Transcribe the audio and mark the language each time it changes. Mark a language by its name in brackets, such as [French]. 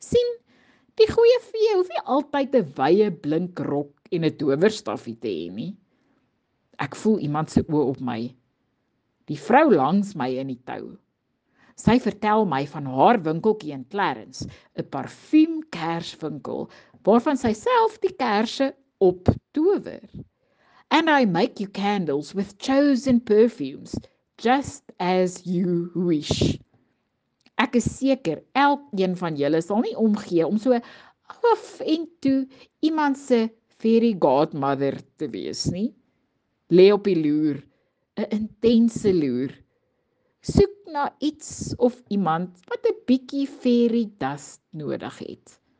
[Afrikaans] Sien, die goeie fee hoef nie altyd 'n wye blink rok en 'n towerstafie te hê nie. Ek voel iemand se oë op my. Die vrou langs my in die tou. Sy vertel my van haar winkeltjie in Clarence, 'n parfuumkerswinkel, waarvan sy self die kersse optower. [English] And I make you candles with chosen perfumes, just as you wish. [Afrikaans] Ek is seker, elkeen van julle sal nie omgee om so af en toe iemand se fairy godmother te wees nie. Lê op die loer, 'n intense loer. Soek na iets of iemand wat 'n bietjie fairy dust nodig het.